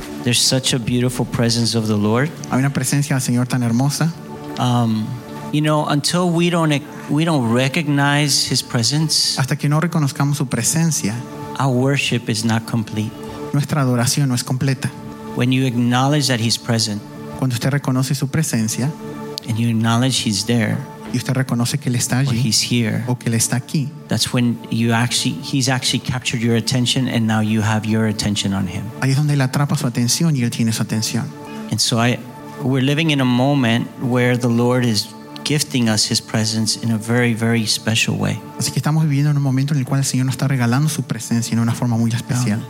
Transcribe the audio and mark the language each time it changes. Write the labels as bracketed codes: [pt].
[en] There's such a beautiful presence of the Lord. [es] Hay una presencia del Señor tan hermosa. [en] You know, until we don't recognize His presence, [es] hasta que no reconozcamos su presencia, [en] our worship is not complete. [es] Nuestra adoración no es completa. [en] When you acknowledge that He's present, [es] cuando usted reconoce su presencia, [en] and you acknowledge He's there, [es] y usted reconoce que él está allí, [en] or He's here, [es] o que él está aquí, [en] that's when you actually He's actually captured your attention, and now you have your attention on Him. [es] Ahí es donde él atrapa su atención y él tiene su atención. [en] And so we're living in a moment where the Lord is gifting us His presence in a very, very special way. [es] Así que estamos viviendo en un momento en el cual el Señor nos está regalando su presencia en una forma muy especial.